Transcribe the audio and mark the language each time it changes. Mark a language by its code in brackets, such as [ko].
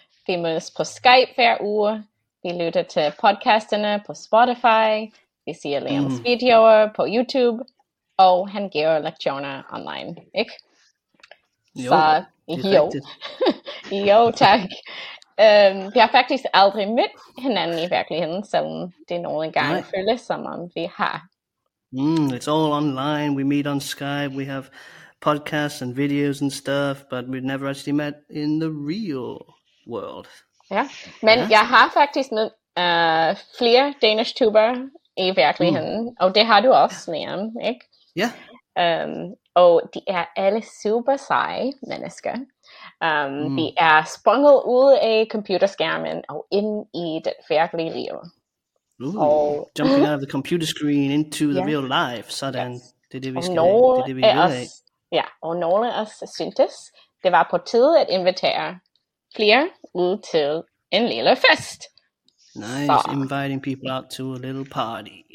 [da] Vi mødes på Skype hver uge, vi lytter til podcasterne på Spotify, vi ser Liams videoer på YouTube, og han giver lektioner online, ikke? Jo, så, det er rigtigt. Jo, tak. Vi har faktisk aldrig mødt hinanden i virkeligheden, selvom det nogle gange føles som om vi har. [en] It's all online, we meet on Skype, we have podcasts and videos and stuff, but we've never actually met in the real world. [da] Ja, men jeg har faktisk mødt flere Danish tuber i virkeligheden, og det har du også, Liam, ikke? Ja. Og de er alle super seje mennesker. Vi er sprunget ud af computerskærmen og ind i det virkelige liv. [en] Jumping out of the computer screen into the real life, sådan. Yes. [da] Det er det, vi skal Ja, og nogle af os syntes, det var på tide at invitere flere ud til en lille fest. Nice, så. [en] Inviting people out to a little party.